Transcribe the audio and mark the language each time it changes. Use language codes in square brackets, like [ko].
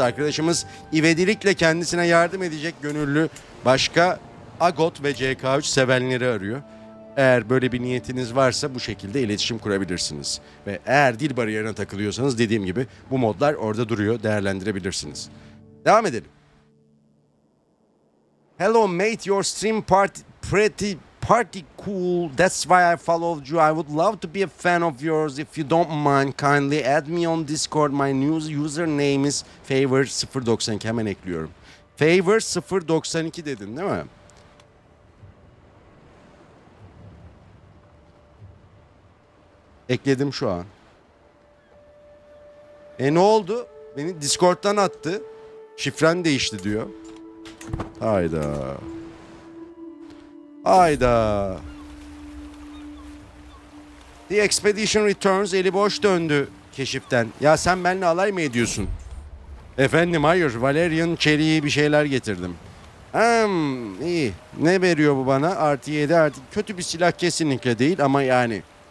[tr] Arkadaşımız ivedilikle kendisine yardım edecek gönüllü başka Agot ve CK3 sevenleri arıyor. Eğer böyle bir niyetiniz varsa bu şekilde iletişim kurabilirsiniz. Ve eğer dil bariyerine takılıyorsanız dediğim gibi bu modlar orada duruyor, değerlendirebilirsiniz. Devam edelim. [en] Hello mate, your stream party pretty party cool. That's why I followed you. I would love to be a fan of yours. If you don't mind, kindly add me on Discord. My new username is favor092. [tr] Hemen ekliyorum. Favor092 dedin değil mi? Ekledim şu an. Ne oldu? Beni Discord'dan attı. Şifren değişti diyor. Hayda. Hayda. [en] The expedition returns. [tr] Eli boş döndü keşiften. Ya sen benimle alay mı ediyorsun? Efendim hayır. Valerian çeliği bir şeyler getirdim. İyi. Ne veriyor bu bana? Artı 7 artı. Kötü bir silah kesinlikle değil ama yani.